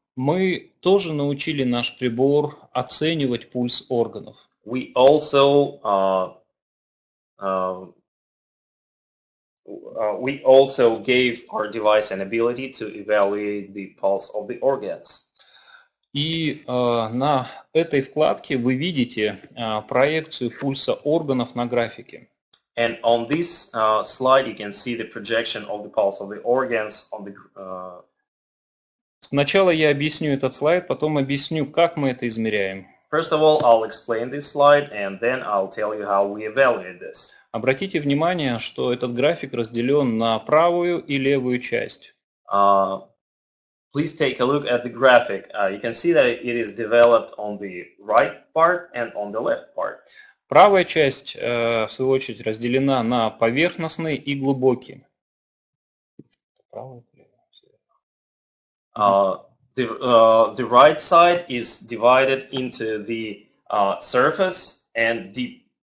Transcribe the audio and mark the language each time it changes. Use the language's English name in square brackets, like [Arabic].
[Russian] Мы тоже научили наш прибор оценивать пульс органов. [English] We also gave our device an ability to evaluate the pulse of the organs. [Russian] И на этой вкладке вы видите проекцию пульса органов на графике. [English] And on this slide you can see the projection of the pulse of the organs on the [Russian] Сначала я объясню этот слайд, потом объясню, как мы это измеряем. [English] First of all, I'll explain this slide, and then I'll tell you how we evaluate this. [Russian] Обратите внимание, что этот график разделен на правую и левую часть. [English] Please take a look at the graphic. You can see that it is developed on the right part and on the left part. [Russian] Правая часть, в свою очередь, разделена на поверхностный и глубокий. Правая. [English] The right side is divided into the surface and deep.